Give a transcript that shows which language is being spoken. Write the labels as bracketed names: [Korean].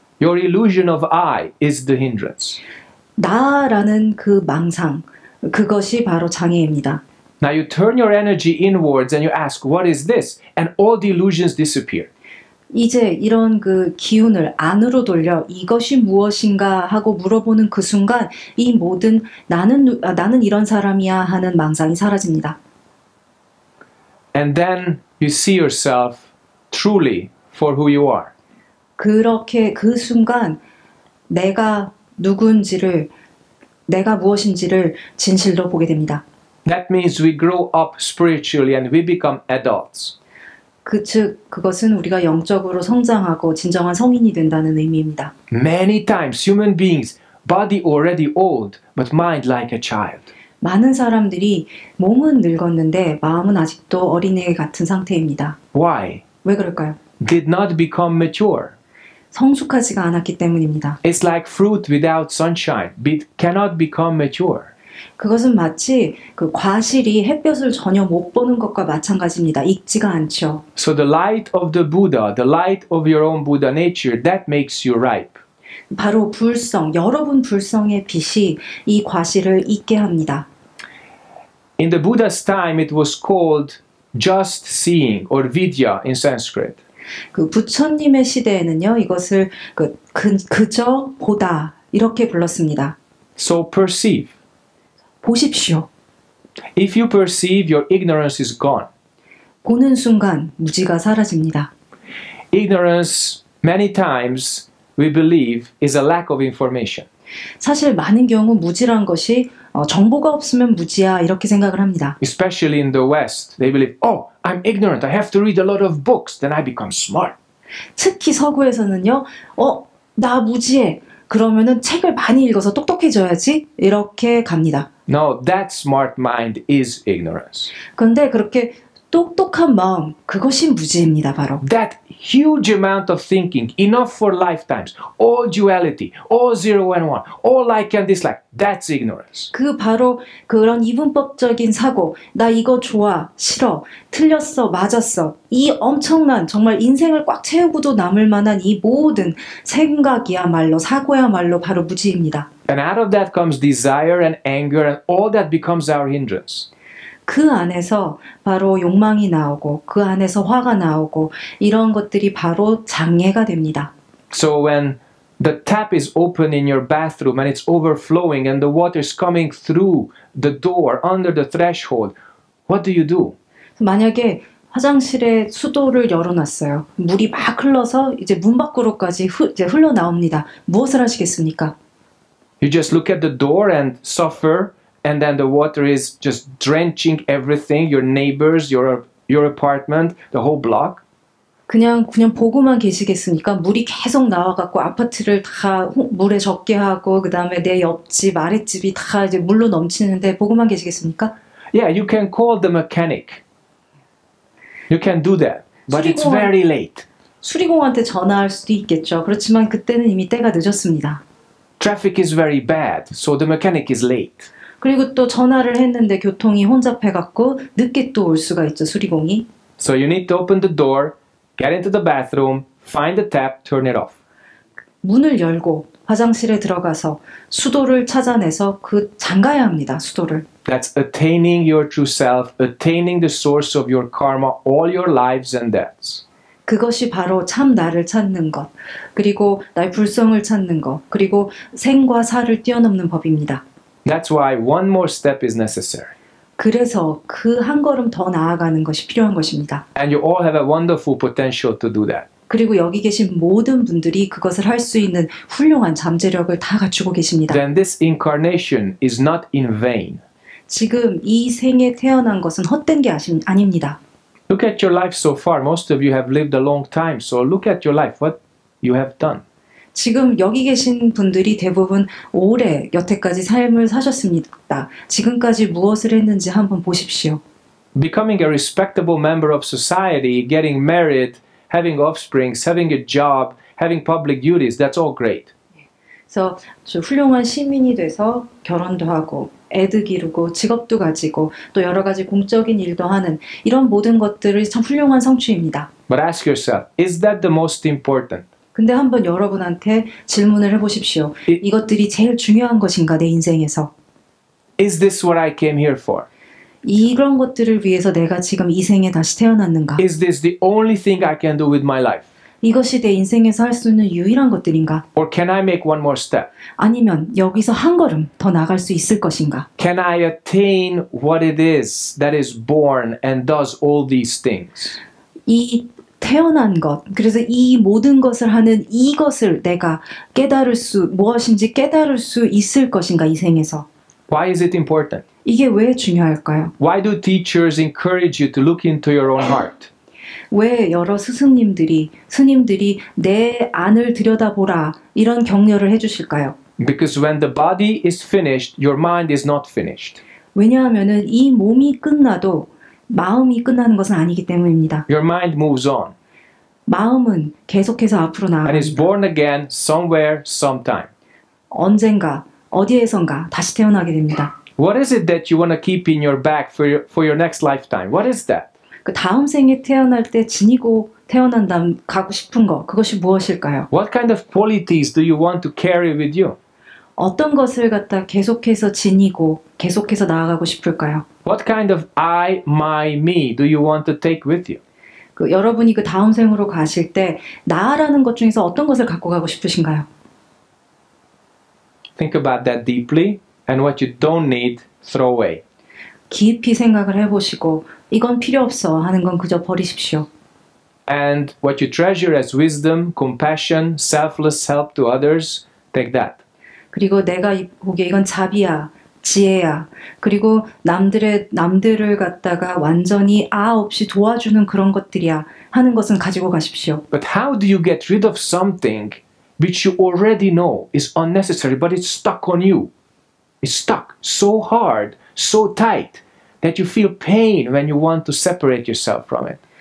[English] Your illusion of I is the hindrance. [Korean] 나라는 그 망상, 그것이 바로 장애입니다. [English] Now you turn your energy inwards and you ask, what is this? And all the illusions disappear. [Korean] 이제 이런 그 기운을 안으로 돌려 이것이 무엇인가 하고 물어보는 그 순간 이 모든 나는 이런 사람이야 하는 망상이 사라집니다. [English] And then you see yourself truly for who you are. [Korean] 그렇게 그 순간 내가 누군지를 내가 무엇인지를 진실로 보게 됩니다. [English] That means we grow up spiritually and we become adults. [Korean] 즉 그것은 우리가 영적으로 성장하고 진정한 성인이 된다는 의미입니다. [English] Many times human beings, body already old, but mind like a child. [Korean] 많은 사람들이 몸은 늙었는데 마음은 아직도 어린애 같은 상태입니다. [English] Why? [Korean] 왜 그럴까요? [English] Did not become mature. [Korean] 성숙하지가 않았기 때문입니다. [English] It's like fruit without sunshine, but cannot become mature. [Korean] 그것은 마치 그 과실이 햇볕을 전혀 못 보는 것과 마찬가지입니다. 익지가 않죠. [English] So the light of the Buddha, the light of your own Buddha nature, that makes you ripe. [Korean] 바로 불성, 여러분 불성의 빛이 이 과실을 익게 합니다. [English] In the Buddha's time, it was called just seeing or vidya in Sanskrit. [Korean] 그 부처님의 시대에는요, 이것을 그저 보다 이렇게 불렀습니다. [English] So perceive. [Korean] 보십시오. [English] If you perceive, your ignorance is gone. [Korean] 보는 순간 무지가 사라집니다. [English] Ignorance, many times, we believe, is a lack of information. [Korean] 사실 많은 경우 무지란 것이 정보가 없으면 무지야 이렇게 생각을 합니다. [English] Especially in the West, they believe, oh, I'm ignorant. I have to read a lot of books, then I become smart. [Korean] 특히 서구에서는요, 나 무지해. 그러면은 책을 많이 읽어서 똑똑해져야지 이렇게 갑니다. [English] No, that smart mind is ignorance. [Korean] 그런데 그렇게 똑똑한 마음, 그것이 무지입니다, 바로. [English] That huge amount of thinking, enough for lifetimes, all duality, all zero and one, all like and dislike, that's ignorance. [Korean] 그 바로 그런 이분법적인 사고, 나 이거 좋아, 싫어, 틀렸어, 맞았어, 이 엄청난, 정말 인생을 꽉 채우고도 남을 만한 이 모든 생각이야말로, 사고야말로 바로 무지입니다. [English] And out of that comes desire and anger and all that becomes our hindrance. [Korean] 그 안에서 바로 욕망이 나오고 그 안에서 화가 나오고 이런 것들이 바로 장애가 됩니다. [English] So when the tap is open in your bathroom and it's overflowing and the water is coming through the door under the threshold, what do you do? [Korean] 만약에 화장실에 수도를 열어놨어요. 물이 막 흘러서 이제 문 밖으로까지 이제 흘러나옵니다. 무엇을 하시겠습니까? [English] You just look at the door and suffer. And then the water is just drenching everything, your neighbors, your apartment, the whole block. [Korean] 그냥 보고만 계시겠습니까? 물이 계속 나와갖고 아파트를 다 물에 젖게 하고 그 다음에 내 옆집, 아랫집이 다 이제 물로 넘치는데 보고만 계시겠습니까? [English] Yeah, you can call the mechanic. You can do that. But 수리공, it's very late. [Korean] 수리공한테 전화할 수도 있겠죠. 그렇지만 그때는 이미 때가 늦었습니다. [English] Traffic is very bad, so the mechanic is late. [Korean] 그리고 또 전화를 했는데 교통이 혼잡해갖고 늦게 또 올 수가 있죠, 수리공이. [English] So you need to open the door, get into the bathroom, find the tap, turn it off. [Korean] 문을 열고 화장실에 들어가서 수도를 찾아내서 그 잠가야 합니다, 수도를. [English] That's attaining your true self, attaining the source of your karma, all your lives and deaths. [Korean] 그것이 바로 참 나를 찾는 것, 그리고 나의 불성을 찾는 것, 그리고 생과 사를 뛰어넘는 법입니다. [English] That's why one more step is necessary. [Korean] 그래서 그 한 걸음 더 나아가는 것이 필요한 것입니다. [English] And you all have a wonderful potential to do that. [Korean] 그리고 여기 계신 모든 분들이 그것을 할 수 있는 훌륭한 잠재력을 다 갖추고 계십니다. [English] Then this incarnation is not in vain. [Korean] 지금 이 생에 태어난 것은 헛된 게 아닙니다. [English] Look at your life so far. Most of you have lived a long time. So look at your life. What you have done. [Korean] 지금 여기 계신 분들이 대부분 오래 여태까지 삶을 사셨습니다. 지금까지 무엇을 했는지 한번 보십시오. [English] Becoming a respectable member of society, getting married, having offspring, having a job, having public duties, that's all great. [Korean] 그래서 훌륭한 시민이 돼서 결혼도 하고 애도 기르고 직업도 가지고 또 여러 가지 공적인 일도 하는 이런 모든 것들을 참 훌륭한 성취입니다. [English] But ask yourself, is that the most important? [Korean] 근데 한번 여러분한테 질문을 해보십시오. 이것들이 제일 중요한 것인가 내 인생에서. [English] Is this what I came here for? [Korean] 이런 것들을 위해서 내가 지금 이 생에 다시 태어났는가? [English] Is this the only thing I can do with my life? [Korean] 이것이 내 인생에서 할 수 있는 유일한 것들인가? [English] Or can I make one more step? [Korean] 아니면 여기서 한 걸음 더 나갈 수 있을 것인가? [English] Can I attain what it is that is born and does all these things? [Korean] 이 태어난 것, 그래서 이 모든 것을 하는 이것을 내가 깨달을 수, 무엇인지 깨달을 수 있을 것인가 이 생에서? [English] Why is it important? [Korean] 이게 왜 중요할까요? [English] Why do teachers encourage you to look into your own heart? [Korean] 왜 여러 스승님들이, 스님들이 내 안을 들여다보라 이런 격려를 해주실까요? [English] Because when the body is finished, your mind is not finished. [Korean] 왜냐하면은 이 몸이 끝나도 마음이 끝나는 것은 아니기 때문입니다. [English] Your mind moves on. [Korean] 마음은 계속해서 앞으로 나아갑니다. [English] And is born again somewhere, sometime. [Korean] 언젠가 어디에선가 다시 태어나게 됩니다. [English] What is it that you want to keep in your bag for your next lifetime? What is that? [Korean] 그 다음 생에 태어날 때 지니고 태어난 다음 가고 싶은 거 그것이 무엇일까요? [English] What kind of qualities do you want to carry with you? [Korean] 어떤 것을 갖다 계속해서 지니고 계속해서 나아가고 싶을까요? [English] What kind of I, my, me do you want to take with you? [Korean] 그 여러분이 그 다음 생으로 가실 때 나라는 것 중에서 어떤 것을 갖고 가고 싶으신가요? [English] Think about that deeply and what you don't need, throw away. [Korean] 깊이 생각을 해보시고 이건 필요 없어 하는 건 그저 버리십시오. [English] And what you treasure as wisdom, compassion, selfless help to others, take that. [Korean] 그리고 내가 보기에 이건 자비야, 지혜야, 그리고 남들을 갖다가 완전히 아 없이 도와주는 그런 것들이야 하는 것은 가지고 가십시오. [English] But how do you get rid of something which you already know is unnecessary, but it's stuck on you? It's stuck so hard, so tight. That you feel pain when you want to separate yourself from it.